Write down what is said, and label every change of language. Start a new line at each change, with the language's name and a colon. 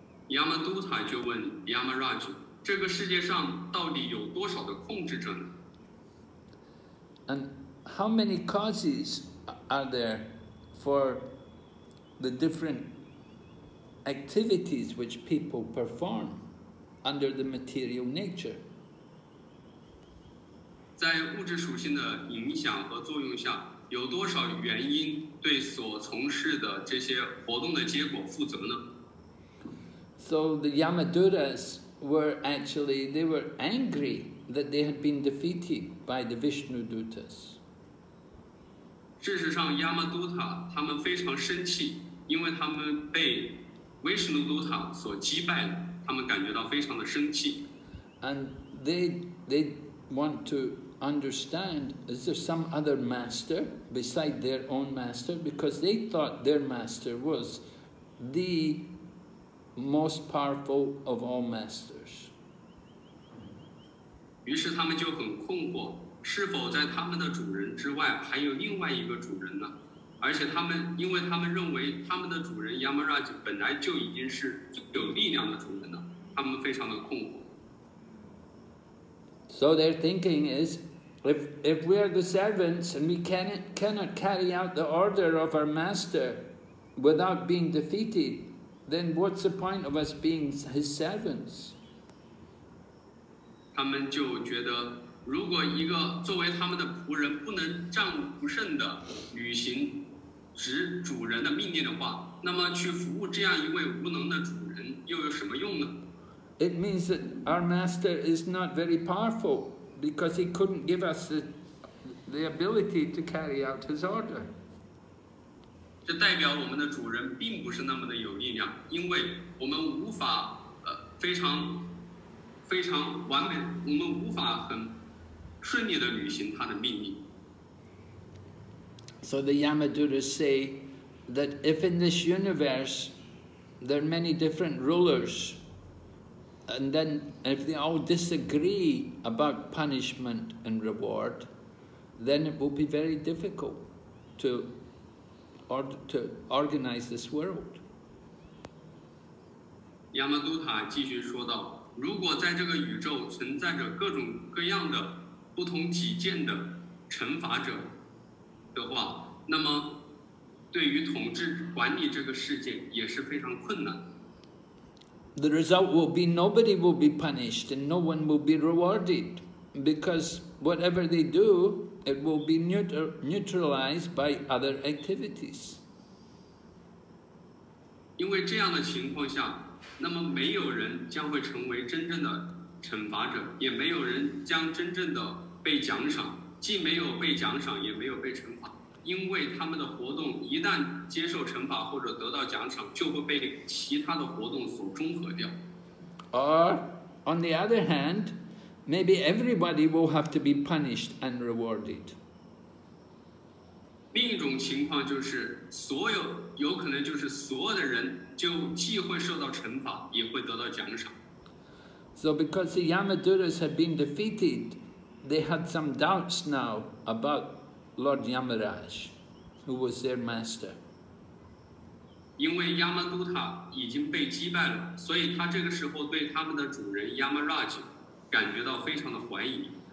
Chinese: Yamaduta 就问 Yamaraj, 这个世界上到底有多少的控制者呢？
English: And how many causes are there for the different activities which people perform under the material nature?
Chinese: 在物质属性的影响和作用下，有多少原因对所从事的这些活动的结果负责呢？
English: So the Yamadutas were angry that they had been defeated by the Vishnu Dutas.
Chinese: 事实上 Yamaduta 他们非常生气，因为他们被Vishnu Dutta 所击败了，他们感觉到非常的生气。
English: And they want to understand, is there some other master beside their own master? Because they thought their master was the most powerful of all masters.
Chinese: 于是他们就很困惑，是否在他们的主人之外还有另外一个主人呢？而且他们，因为他们认为他们的主人 Yamaraj 本来就已经是有力量的主人了，他们非常的困惑。
English: So their thinking is, if we are the servants and we cannot carry out the order of our master without being defeated, then what's the point of us being his servants?
Chinese: 他们就觉得，如果一个作为他们的仆人不能战无不胜的履行指主人的命令的话，那么去服务这样一位无能的主人又有什么用呢？
English: It means that our master is not very powerful because he couldn't give us the ability to carry out his order.
Chinese: 这代表我们的主人并不是那么的有力量，因为我们无法非常完美，我们无法很顺利的履行他的命令。
English: So the Yamadutas say that if in this universe there are many different rulers, and then if they all disagree about punishment and reward, then it will be very difficult to organize this world.
Chinese: Yamaduta 继续说道，如果在这个宇宙存在着各种各样的不同己见的惩罚者的话，那么对于统治管理这个世界也是非常困难。
English: The result will be nobody will be punished and no one will be rewarded, because whatever they do, it will be neutralized by other activities.
Chinese: 因为这样的情况下，那么没有人将会成为真正的惩罚者，也没有人将真正的被奖赏，既没有被奖赏，也没有被惩罚。因为他们的活动一旦接受惩罚或者得到奖赏，就会被其他的活动所中和掉。
English: Or, on the other hand, maybe everybody will have to be punished and rewarded.
Chinese: 另一种情况就是，有可能就是所有的人就既会受到惩罚，也会得到奖赏。
English: So because the Yamadutas had been defeated, they had some doubts now about Lord Yamaraj, who was their master.
Chinese: 因为 Yamaduta 已经被击败了，所以他这个时候对他们的主人 Yamaraj 感觉到非常的怀疑。